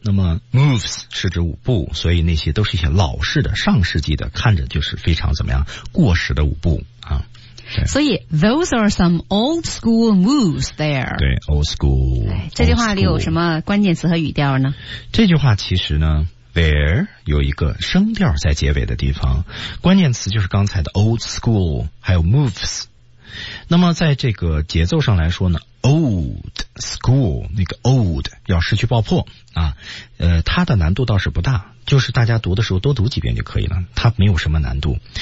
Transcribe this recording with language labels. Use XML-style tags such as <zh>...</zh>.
<zh>那么 moves 是指舞步，所以那些都是一些老式的、上世纪的，看着就是非常怎么样过时的舞步啊。所以</zh> <en>those are some old school moves there。</en> <zh>对</zh> <en>，old school。</en> <zh>这句话里有什么关键词和语调呢？这句话其实呢，there 有一个声调在结尾的地方，关键词就是刚才的 old school 还有 moves。那么在这个节奏上来说呢， old school 那个 old 要失去爆破啊，它的难度倒是不大，就是大家读的时候多读几遍就可以了，它没有什么难度。</zh>